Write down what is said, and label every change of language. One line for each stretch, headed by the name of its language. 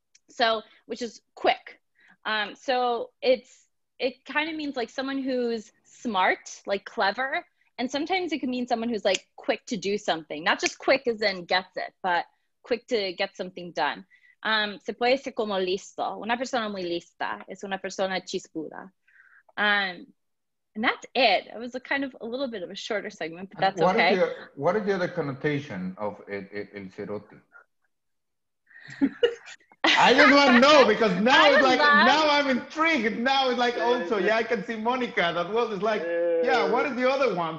English: So, which is quick. So it kind of means like someone who's smart, like clever. And sometimes it can mean someone who's like quick to do something, not just quick as in gets it, but quick to get something done.
Spanish: Se puede ser como listo. Una persona muy lista es una persona chispuda.
English: And that's it. It was a kind of a little bit of a shorter segment, but that's what okay. What is the other connotation of el cerote? I just want to know because now it's like, laugh. Now I'm intrigued. Now it's like also, yeah, I can see Monica. That was just like, yeah, what is the other one?